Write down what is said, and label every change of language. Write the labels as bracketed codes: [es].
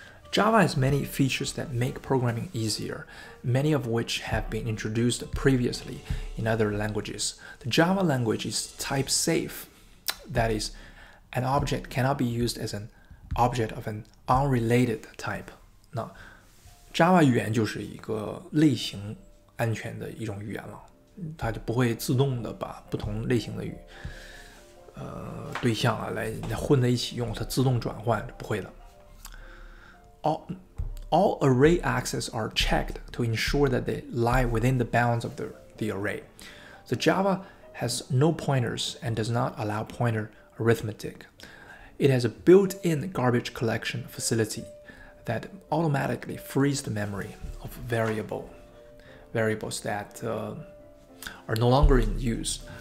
[en] Java has many features that make programming easier, many of which have been introduced previously in other languages. The Java language is type safe, that is, an object cannot be used as an object of an unrelated type. [zh] 那 Java 语言就是一个类型安全的一种语言了，它就不会自动的把不同类型的对象啊来混在一起用，它自动转换不会的。 [en] All array access are checked to ensure that they lie within the bounds of the array. So Java has no pointers and does not allow pointer arithmetic. It has a built-in garbage collection facility. That automatically frees the memory of variables that are no longer in use.